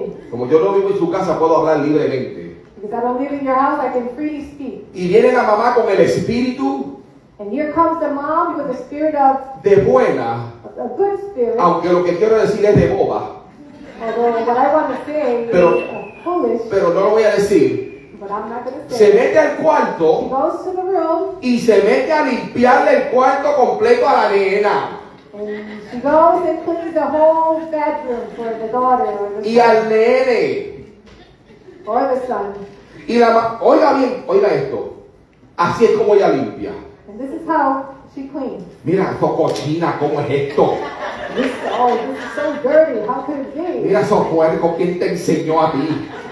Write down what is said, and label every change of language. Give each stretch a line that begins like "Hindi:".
Spanish: Como yo no vivo en su casa, puedo hablar libremente.
English: Because I don't live in your house, I can freely speak.
Spanish: Y viene la mamá con el espíritu.
English: And here comes the mom with the spirit of
Spanish: de buena,
English: a good spirit.
Spanish: Aunque lo que quiero decir es de boba.
English: Although what I want to say pero, is foolish.
Spanish: Pero no lo voy a decir. Se mete al cuarto.
English: She goes to the room.
Spanish: Y se mete a limpiarle el cuarto completo a la nena.
English: And she goes and cleans the whole bedroom for the daughter.
Spanish: Y al nene.
English: Or the son.
Spanish: Y la oiga bien, oiga esto. Así es como ella limpia.
English: And this is how she cleans.
Spanish: Mira esto cochina, ¿cómo es esto?
English: This is so dirty, how could it be?
Spanish: Mira esos puercos, ¿quién te enseñó a ti?